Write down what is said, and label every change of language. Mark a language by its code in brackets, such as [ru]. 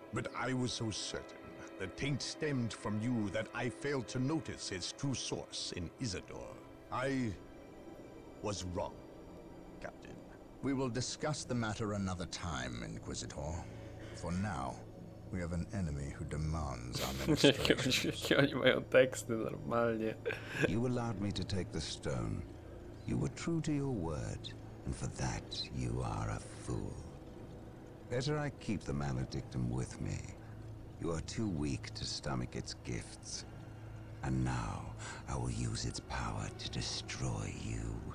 [en] But I was so certain the taint stemmed from you that I failed to notice its true source in Isidore. I was wrong, Captain. We will discuss the matter another time, Inquisitor. For now, we have an enemy who demands our ministrations. [pl] Oni mają teksty normalnie. [en] You allowed me to take the stone. You were true to your word, and for that you are a fool. Better I keep the maledictum with me. You are too weak to stomach its gifts. And now, I will use its power to destroy you.